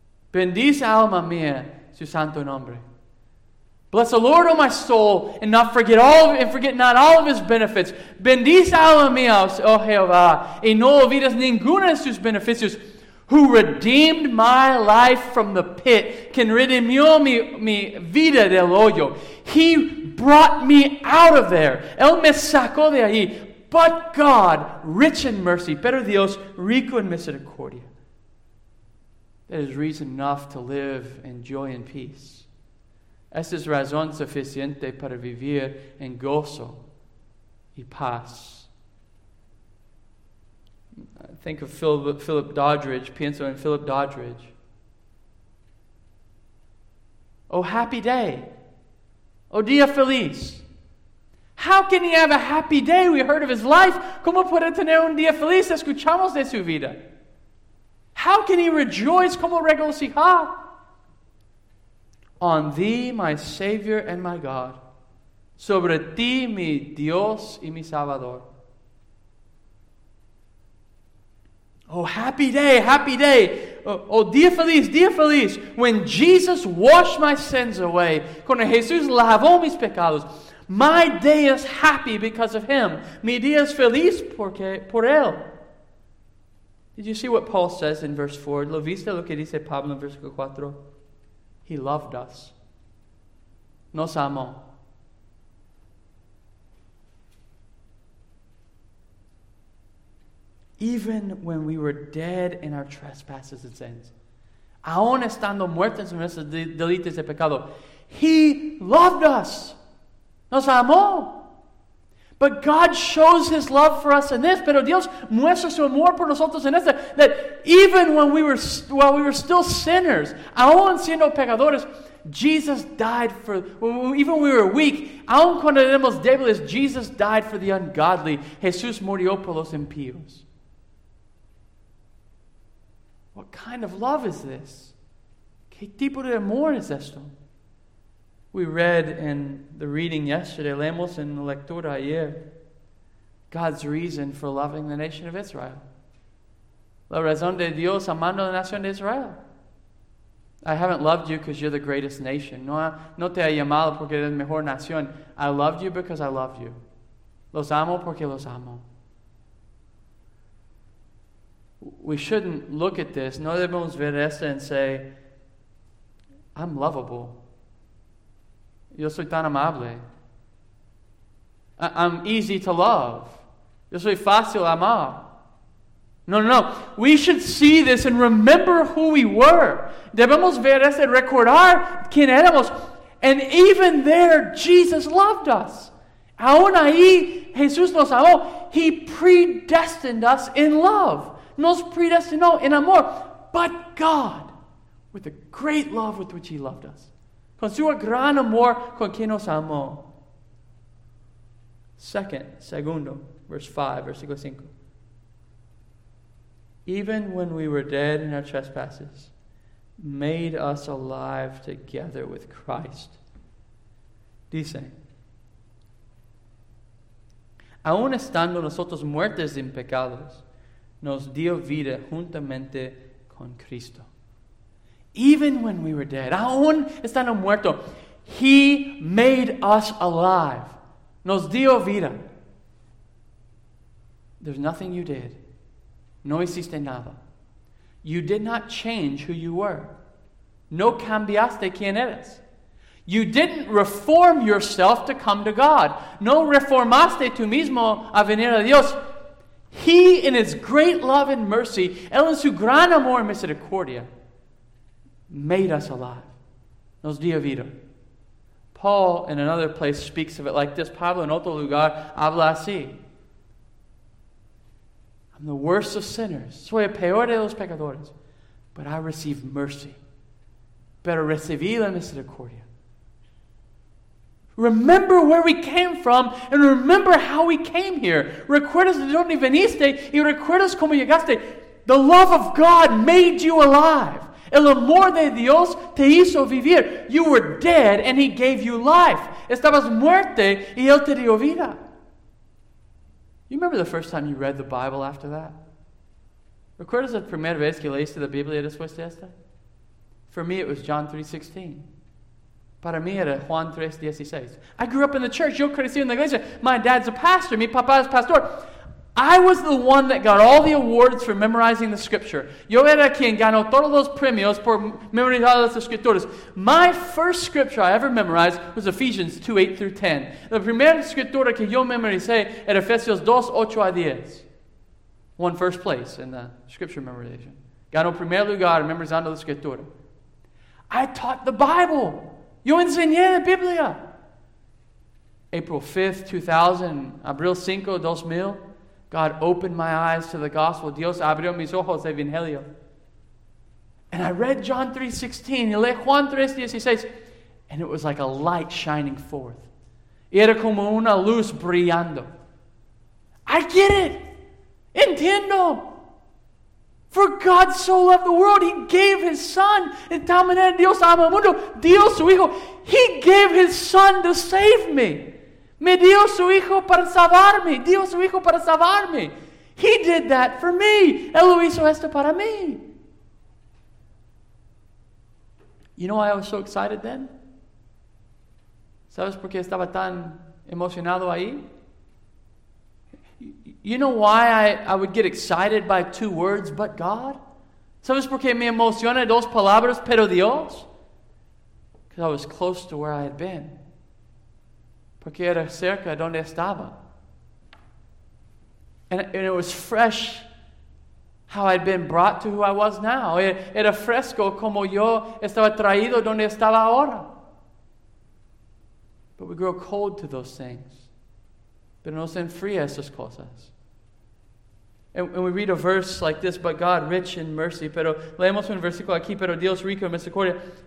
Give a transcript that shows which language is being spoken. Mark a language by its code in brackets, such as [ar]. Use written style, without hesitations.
[es] Bendice alma mía, su santo nombre. [en] Bless the Lord, oh my soul, and not forget all of, and forget not all of his benefits. [es] Bendice alma mía, oh Jehová, y no olvides ninguna de sus beneficios. [en] Who redeemed my life from the pit, [es] quien redimió mi vida del hoyo. [en] He brought me out of there. [es] Él me sacó de ahí. [en] But God, rich in mercy, [es] pero Dios, rico en misericordia. [en] That is reason enough to live in joy and peace. [es] Esa es razón suficiente para vivir en gozo y paz. [en] Think of Philip Doddridge. [es] Pienso en Philip Doddridge. [en] Oh, happy day. [es] Oh, día feliz. [en] How can he have a happy day? We heard of his life. [es] ¿Cómo puede tener un día feliz? Escuchamos de su vida. [en] How can he rejoice? [es] ¿Cómo regocijar? [en] On thee, my Savior and my God. [es] Sobre ti, mi Dios y mi Salvador. [en] Oh, happy day, happy day. [es] Oh, día feliz, [en] when Jesus washed my sins away. [es] Cuando Jesús lavó mis pecados. [en] My day is happy because of him. [es] Mi día es feliz porque por él. [en] Did you see what Paul says in verse 4? [es] ¿Lo viste lo que dice Pablo en versículo 4? [en] He loved us. [es] Nos amó. [en] Even when we were dead in our trespasses and sins, [es] aun estando muertos en nuestros delitos y pecados, [en] he loved us. [es] Nos amó. [en] But God shows his love for us in this. [es] Pero Dios muestra su amor por nosotros en esto. [en] That even when we were still sinners, [es] aun siendo pecadores, [en] Jesus died for, even when we were weak, [es] aun cuando éramos débiles, [en] Jesus died for the ungodly. [es] Jesús murió por los impíos. [en] What kind of love is this? [es] ¿Qué tipo de amor es esto? [en] We read in the reading yesterday, [es] leemos en la lectura ayer, [en] God's reason for loving the nation of Israel. [es] La razón de Dios amando la nación de Israel. [en] I haven't loved you because you're the greatest nation. [es] No te he llamado porque eres la mejor nación. [en] I loved you because I love you. [es] Los amo porque los amo. [en] We shouldn't look at this, [es] no debemos ver esto [en] and say, I'm lovable. [es] Yo soy tan amable. [en] I'm easy to love. [es] Yo soy fácil amar. No. [en] We should see this and remember who we were. [es] Debemos ver esto y recordar quién éramos. [en] And even there, Jesus loved us. [es] Aún ahí, Jesús nos amó. [en] He predestined us in love. [es] Nos predestinó en amor. [en] But God, with the great love with which he loved us. [es] Con su gran amor con quien nos amó. Segundo, verse 5, versículo 5. [en] Even when we were dead in our trespasses, made us alive together with Christ. [es] Dice, aun estando nosotros muertos en pecados, nos dio vida juntamente con Cristo. [en] Even when we were dead, [es] aún estando muerto, [en] he made us alive. [es] Nos dio vida. [en] There's nothing you did. [es] No hiciste nada. [en] You did not change who you were. [es] No cambiaste quién eres. [en] You didn't reform yourself to come to God. [es] No reformaste tú mismo a venir a Dios. [en] He, in his great love and mercy, [es] él en su gran amor y misericordia, [en] made us alive. [es] Nos dio vida. [en] Paul, in another place, speaks of it like this. [es] Pablo, en otro lugar, habla así. [en] I'm the worst of sinners. [es] Soy el peor de los pecadores. [en] But I receive mercy. [es] Pero recibí la misericordia. [en] Remember where we came from and remember how we came here. [es] Recuerdas de donde viniste y recuerdas cómo llegaste. [en] The love of God made you alive. [es] El amor de Dios te hizo vivir. [en] You were dead and he gave you life. [es] Estabas muerte y él te dio vida. [en] You remember the first time you read the Bible after that? [es] Recuerdas la primera vez que leíste la Biblia después de esta? [en] For me it was John 3:16. [es] Para mí era Juan 3:16. [en] I grew up in the church. [es] Yo crecí en la iglesia. [en] My dad's a pastor. [es] Mi papá es pastor. [en] I was the one that got all the awards for memorizing the scripture. [es] Yo era quien ganó todos los premios por memorizar las escrituras. [en] My first scripture I ever memorized was Ephesians 2:8 through 10. [es] La primera escritura que yo memoricé era Efesios 2:8 a 10. [en] Won first place in the scripture memorization. [es] Ganó primer lugar memorizando la escritura. [en] I taught the Bible. [es] Yo enseñé la Biblia. [en] April 5th, 2000, [es] abril 5, 2000, [en] God opened my eyes to the gospel. [es] Dios abrió mis ojos al Evangelio. [en] And I read John 3:16, [es] y leí Juan 3:16, [en] and it was like a light shining forth. [es] Y era como una luz brillando. [en] I get it. [es] Entiendo. [en] For God so loved the world, He gave His Son. [es] En tal manera Dios ama el mundo. Dios su Hijo. [en] He gave His Son to save me. [es] Me dio su Hijo para salvarme. Dio su Hijo para salvarme. [en] He did that for me. Él lo hizo esto para mí. You know why I was so excited then? [es] ¿Sabes por qué estaba tan emocionado ahí? [en] You know why I would get excited by two words, but God? [es] ¿Sabes por qué me emociona dos palabras, pero Dios? [en] Because I was close to where I had been. [es] Porque era cerca donde estaba. [en] And it was fresh how I'd been brought to who I was now. [es] Era fresco como yo estaba traído donde estaba ahora. [en] But we grow cold to those things. [es] Pero nos enfría esas cosas. [en] And we read a verse like this, but God, rich in mercy. [es] Pero leemos un versículo aquí, pero Dios rico en misericordia.